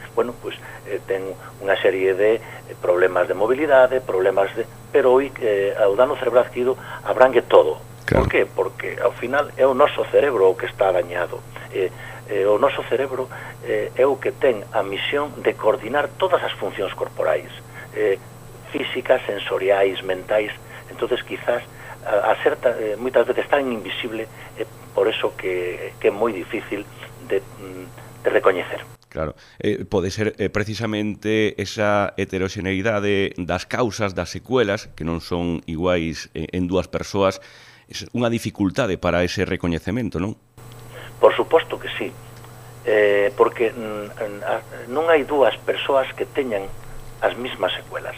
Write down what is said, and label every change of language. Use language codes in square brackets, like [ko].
[gl] Bueno, pois, ten unha serie de problemas de mobilidade, problemas de... Pero hoy, o dano cerebral adquirido abrangue todo. Claro. Por qué? Porque, ao final, é o noso cerebro o que está dañado. O noso cerebro é o que ten a misión de coordinar todas as funcións corporais. físicas, sensoriais, mentais. [es] Entonces quizás a ser muchas veces tan invisible, por eso que es muy difícil de recoñecer. [gl] Claro, pode ser precisamente esa heteroxeneidade das causas, das secuelas, que non son iguais en dúas persoas, es unha dificultade para ese recoñecemento, non? Por suposto que sí, porque non hai dúas persoas que teñan as mismas secuelas.